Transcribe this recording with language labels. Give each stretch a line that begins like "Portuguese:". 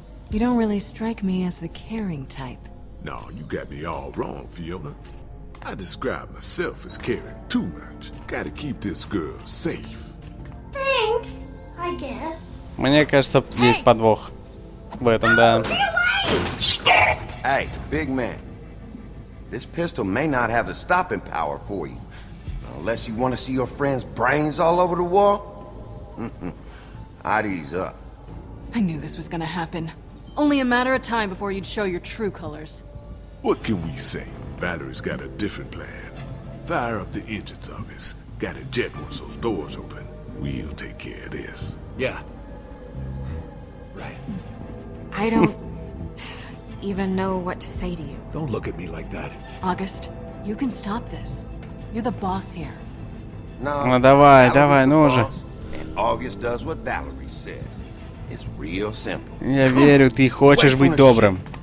English: You don't really strike me as the caring type. No, you got me all wrong, Fiona. I describe myself as caring too much. Gotta keep this girl safe. Thanks, I guess.
Russian: Мне кажется, есть подвох в этом, да.
English: Stop! Hey, big man. This pistol may not have the stopping power for you. Unless you want to see your friend's brains all over the wall. I'd ease up. I knew this was gonna happen. Only a matter of time before you'd show your true colors. What can we say? Valerie's got a different plan. Fire up the engines, August. Got a jet once those doors open. We'll take care of this. Yeah. Right. I don't... even know what to say to you. Don't look at me like that. August, you can stop this. You're the boss here. No,
Russian: ну, давай, давай, ну уже.
English: And August does what Valerie says. It's real simple.
Russian: Я верю, ты хочешь быть добрым.